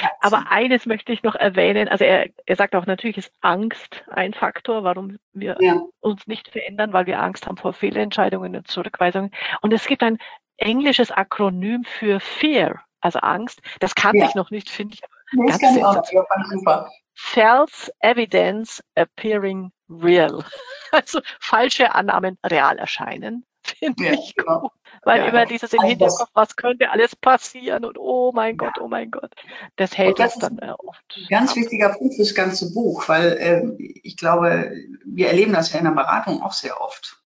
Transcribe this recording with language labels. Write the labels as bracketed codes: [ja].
[de] Aber eines möchte ich noch erwähnen. Also er sagt auch, natürlich ist Angst ein Faktor, warum wir uns nicht verändern, weil wir Angst haben vor Fehlentscheidungen und Zurückweisungen. Und es gibt ein englisches Akronym für Fear, also Angst. Das kannte ich noch nicht, finde ich. Nee, ganz kann ich auch nicht. [en] False evidence appearing real. [de] Also falsche Annahmen real erscheinen. Finde ich gut. Weil immer dieses im Hinterkopf, was könnte alles passieren und oh mein Gott, oh mein Gott. Das hält das dann oft. Ganz wichtiger Punkt fürs ganze Buch, weil ich glaube, wir erleben das ja in der Beratung auch sehr oft.